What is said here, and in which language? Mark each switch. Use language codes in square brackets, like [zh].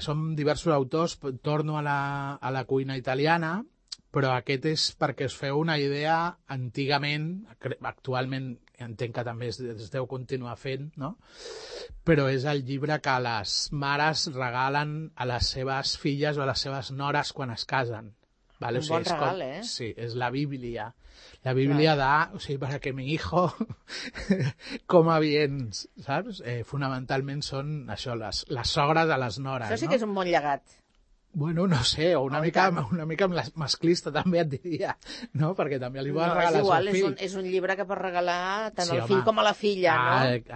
[ca] Som diversos autors, torno a la cuina italiana, però aquest és perquè us feu una idea, antigament, actualment entenc que també es deu continuar fent, no? Però és el llibre que les mares regalen a les seves filles o a les seves nores quan es casen. Vale, un bon regal, com, sí, és la Bíblia. [es] La Bíblia da, [ca] o sigui, [es] para que mi hijo coma bien, [ca] saps? Fonamentalment són això, les sogres a les nores. Això sí, no? Que és un bon llegat. Bueno, no sé, o una mica masclista també et diria, no? Perquè també li vols regalar al seu fill. És un llibre que pots regalar tant al fill com a la filla, no?